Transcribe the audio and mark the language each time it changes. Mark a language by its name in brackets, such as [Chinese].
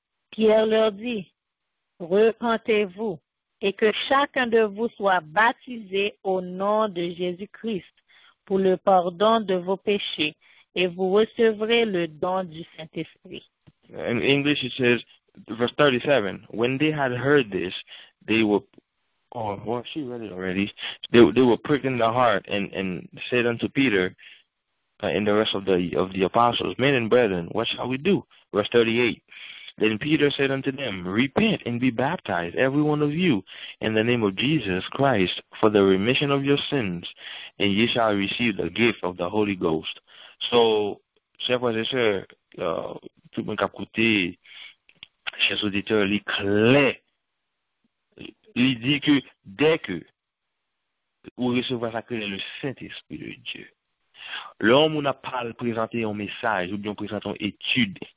[French] Pierre leur dit, repentez-vous et que chacun de vous soit baptisé au nom de Jésus-Christ pour le pardon de vos péchés et vous recevrez le don du Saint-Esprit. En anglais, il dit, [English] verse 37, when they had heard this, they were, oh, well, she read it already, they were pricked in the heart and said unto Peter and the rest of the apostles, men and brethren, what shall we do? Verse 38, then Peter said unto them, repent and be baptized, every one of you, in the name of Jesus Christ, for the remission of your sins, and ye shall receive the gift of the Holy Ghost. [French] So, chers et sœurs, tout le monde qui a écouté, chers auditeurs, il est clair. Il dit que dès que vous recevez ça, que le Saint-Esprit de Dieu, l'homme n'a pas présenté un message ou bien présenté une étude